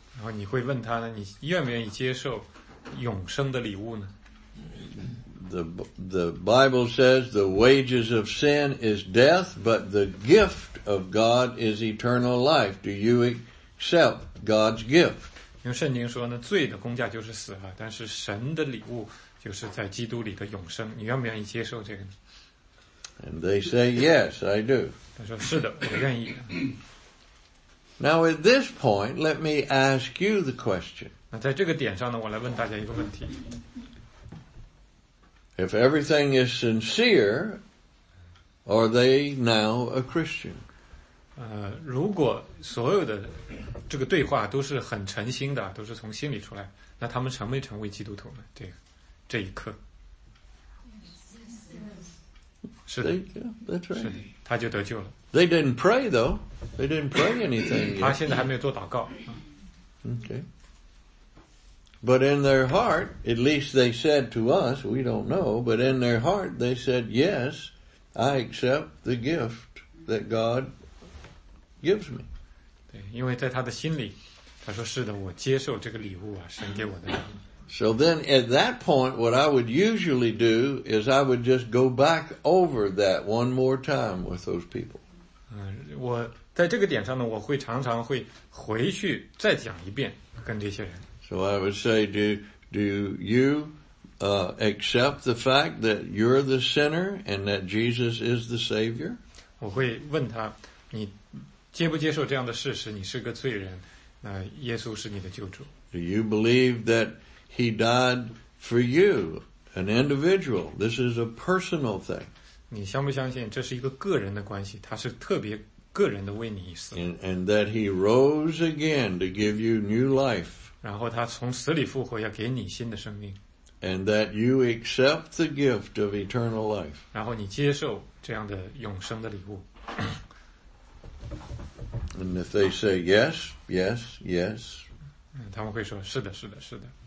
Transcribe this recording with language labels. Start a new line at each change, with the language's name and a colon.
Chinese: 然后你会问他呢，你愿不愿意接受永生的礼物呢？
English: The Bible says the wages of sin is death, but the gift of God is eternal life. Do you accept God's gift?
Chinese: 用圣经说呢，罪的工价就是死了，但是神的礼物就是在基督里的永生。你愿不愿意接受这个呢？
English: And they say, "Yes, I do."
Chinese: 他说，是的，我愿意。
English: Now at this point, let me ask you the question.
Chinese: 那在这个点上呢，我来问大家一个问题。
English: If everything is sincere, are they now a Christian?
Chinese: 如果所有的这个对话都是很诚心的，都是从心里出来，那他们成没成为基督徒呢？这一刻，是的，
English: that's right.
Chinese: 是的，他就得救了。
English: They didn't pray though. They didn't pray anything yet.
Chinese: 他现在还没有做祷告。
English: Okay. But in their heart, at least they said to us, we don't know, but in their heart they said, "Yes, I accept the gift that God gives me."
Chinese: 对，因为在他的心里，他说，是的，我接受这个礼物啊，神给我的。
English: So then at that point, what I would usually do is I would just go back over that one more time with those people.
Chinese: 我在这个点上呢，我会常常会回去再讲一遍跟这些人。
English: So I would say, do you accept the fact that you're the sinner and that Jesus is the Savior?
Chinese: 我会问他，你接不接受这样的事实？你是个罪人，那耶稣是你的救主。
English: Do you believe that he died for you, an individual? This is a personal thing.
Chinese: 你相不相信这是一个个人的关系？他是特别个人的为你死。
English: And that he rose again to give you new life.
Chinese: 然后他从死里复活，要给你新的生命。
English: And that you accept the gift of eternal life.
Chinese: 然后你接受这样的永生的礼物。
English: And if they say yes, yes, yes.
Chinese: 他们会说，是的，是的，是的。